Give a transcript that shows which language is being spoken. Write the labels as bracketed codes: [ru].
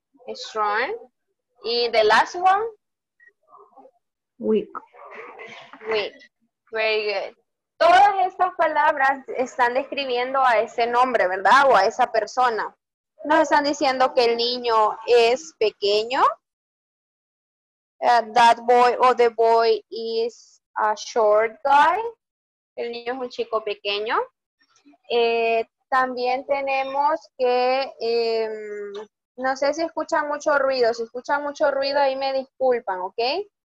[en] Strong. ¿Y the last one? Week. Week. Very good. [es] Todas estas palabras están describiendo a ese nombre, ¿verdad? O a esa persona. Nos están diciendo que el niño es pequeño. [en] That boy or the boy is a short guy. [es] El niño es un chico pequeño. También tenemos que, no sé si escuchan mucho ruido. Si escuchan mucho ruido, ahí me disculpan, ¿ok?